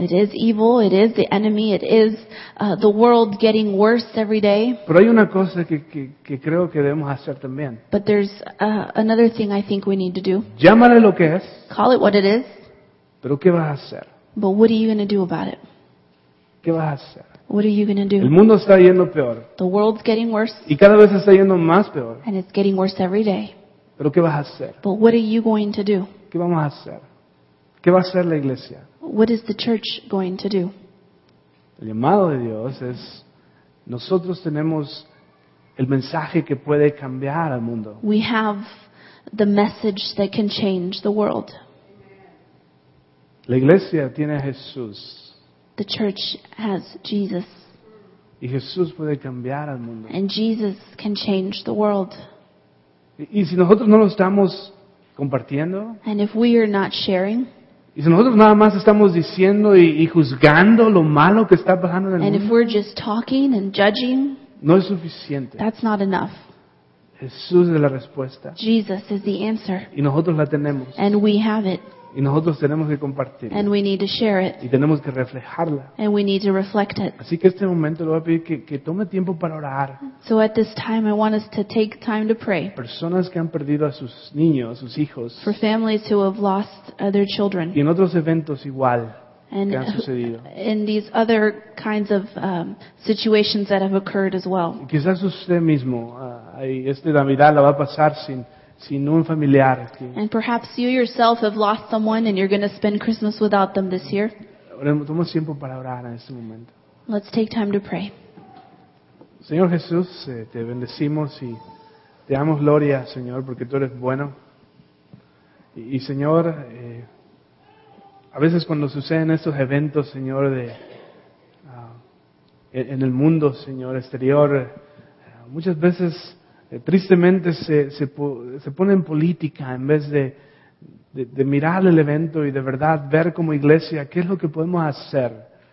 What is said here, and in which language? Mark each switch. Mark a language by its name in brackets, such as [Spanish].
[English] It is evil, it is the enemy, it is the world getting worse every day. [Spanish] Pero hay una cosa que creo que debemos hacer también. [English] But there's another thing I think we need to do. [Spanish] Llámale lo que es. [English] Call it what it is. [Spanish] Pero ¿qué vas a hacer? [English] But what are you going to do about it? [Spanish] ¿Qué vas a hacer? [English] What are you going to do? [Spanish] El mundo está yendo peor. [English] The world's getting worse. [Spanish] Y cada vez está yendo más peor. [English] And it's getting worse every day. [Spanish] ¿Pero qué vas a hacer? [English] But what are you going to do? [Spanish] ¿Qué vamos a hacer? ¿Qué va a hacer la iglesia? [English] What is the church going to do? [Spanish] El llamado de Dios es, nosotros tenemos el mensaje que puede cambiar al mundo. [English] We have the message that can change the world. [Spanish] La iglesia tiene a Jesús. [English] The church has Jesus. [Spanish] Y Jesús puede cambiar al mundo. [English] And Jesus can change the world. [Spanish] Y si nosotros no lo estamos compartiendo, [English] and if we are not sharing, [Spanish] y si nosotros nada más estamos diciendo y juzgando lo malo que está pasando en el [English] and [Spanish] mundo, [English] if we're just talking and judging, [Spanish] no es suficiente. [English] That's not enough. [Spanish] Jesús es la respuesta. [English] Jesus is the answer. [Spanish] Y nosotros la tenemos. [English] And we have it. [Spanish] Y nosotros tenemos que compartir. [English] And we need to share it. [Spanish] Y tenemos que reflejarla. [English] And we need to reflect it. [Spanish] Así que este momento le voy a pedir que tome tiempo para orar. [English] So at this time I want us to take time to pray. [Spanish] Personas que han perdido a sus niños, a sus hijos. [English] For families who have lost their children. [Spanish] Y en otros eventos igual que han sucedido. [English] In these other kinds of situations that have occurred as well. [Spanish] Y quizás usted mismo este Navidad la va a pasar sin un familiar. [English] And perhaps you yourself have lost someone and you're going to spend Christmas without them this year. [Spanish] Tomemos tiempo para orar en este momento. [English] Let's take time to pray. [Spanish] Señor Jesús, te bendecimos y te damos gloria, Señor, porque tú eres bueno. Y Señor, a veces cuando suceden estos eventos, Señor, en el mundo, Señor, exterior, muchas veces tristemente se pone en política en vez de mirar el evento y de verdad ver como iglesia qué es lo que podemos hacer.